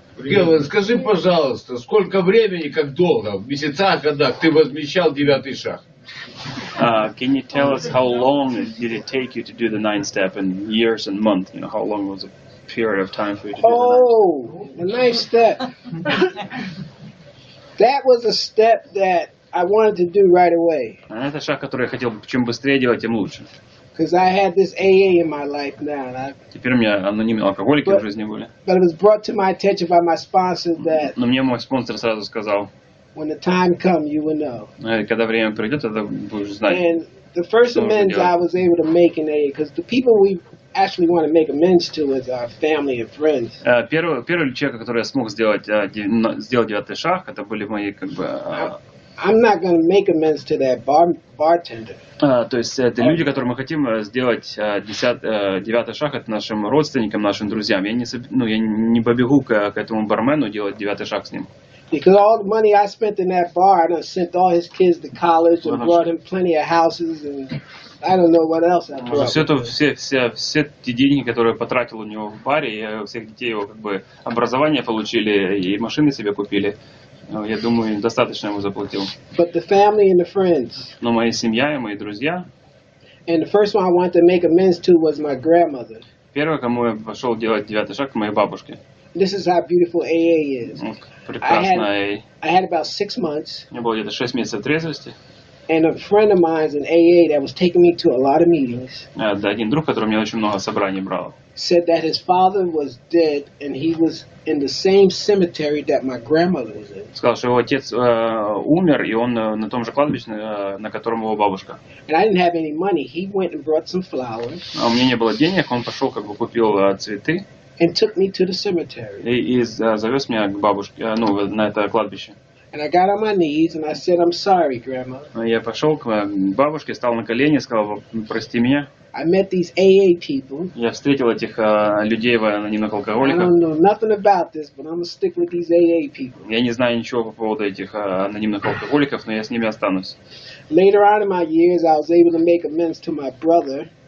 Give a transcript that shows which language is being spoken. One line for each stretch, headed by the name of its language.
Russian: Гелвин, скажи, пожалуйста, сколько времени, как долго, в месяцах, годах ты возмещал девятый шаг?
English: Can you tell us how long did it take you to do the ninth step in years and months? You know, how long was the period of time for you to do the ninth step. That was a step that I wanted to do right away.
Russian: Это шаг, который я хотел чем быстрее делать, тем лучше.
English: Because I had this AA in my life now.
Russian: Теперь у меня анонимные алкоголики в жизни были.
English: But it was brought to my attention by my sponsor that.
Russian: Но мне мой спонсор сразу сказал.
English: When the time come, you will know.
Russian: Когда время придет, тогда будешь знать.
English: And the first amends I was able to make in AA, because the people we actually want to make amends to is our family and friends.
Russian: Первый человек, который я смог сделать девятый шаг, это были мои как бы.
English: I'm not going to make amends to that bartender.
Russian: То есть это люди, которым мы хотим сделать девятый шаг, это нашим родственникам, нашим друзьям. Я не побегу к этому бармену делать девятый шаг с ним.
English: Because all the money I spent in that bar, I sent all his kids to college and brought him plenty of houses and I don't know what else.
Russian: Все те деньги, которые потратил у него в баре, и всех детей его как бы образование получили и машины себе купили. Я думаю, достаточно ему заплатил.
English: But the family and the friends.
Russian: Но моя семья и мои друзья.
English: And the first one I wanted to make amends to was my grandmother.
Russian: Первое, кому я пошел делать девятый шаг, к моей бабушке.
English: This is how beautiful AA is.
Russian: Прекрасная AA.
English: I had about 6 months.
Russian: У меня было где-то 6 месяцев трезвости.
English: And a friend of mine in AA that was taking me to a lot of meetings.
Russian: Да, один друг, который меня очень много собраний брал.
English: Said that his father was dead and he was in the same cemetery that my grandmother was in.
Russian: Сказал, что его отец умер и он на том же кладбище, на котором его бабушка.
English: And I didn't have any money. He went and brought some flowers.
Russian: А у меня не было денег, он пошел как бы купил цветы.
English: And took me to the cemetery.
Russian: И завез меня к бабушке, на это кладбище.
English: And I got on my knees and I said, "I'm sorry, Grandma."
Russian: Я пошел к бабушке, стал на колени, сказал, "Прости меня."
English: I met these AA people.
Russian: Я встретил этих людей в анонимных алкоголиках.
English: I don't know nothing about this, but I'm gonna stick with these AA people.
Russian: Я не знаю ничего по поводу этих анонимных алкоголиков, но я с ними останусь.
English: Later on in my years, I was able to make amends to my brother.